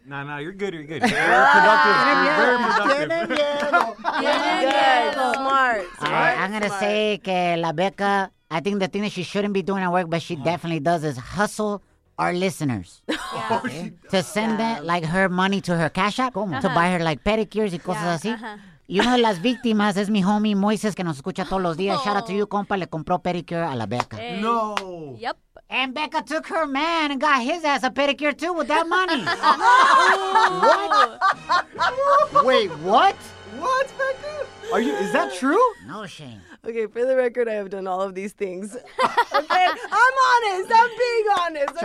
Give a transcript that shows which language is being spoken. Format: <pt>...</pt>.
<en>No, you're good, you're good. You're productive. You're very productive. Smart. I'm going to say</en> <es>que la Becca,</es> <en>I think the thing that she shouldn't be doing at work, but she definitely does, is hustle our listeners. To send that, like, her money to her Cash App, to buy her, like, pedicures and</en> <es>cosas así. Y una de las víctimas es mi homie Moises, que nos escucha todos los días.</es> <en>Shout out to you,</en> <es>compa. Le compró pedicure a la Becca.</es> <en>Hey. No. Yep. And Becca took her man and got his ass a pedicure, too, with that money. Wait, what? What, Becca? Is that true? No shame. Okay, for the record, I have done all of these things. Okay, I'm honest. I'm being honest, okay?</en>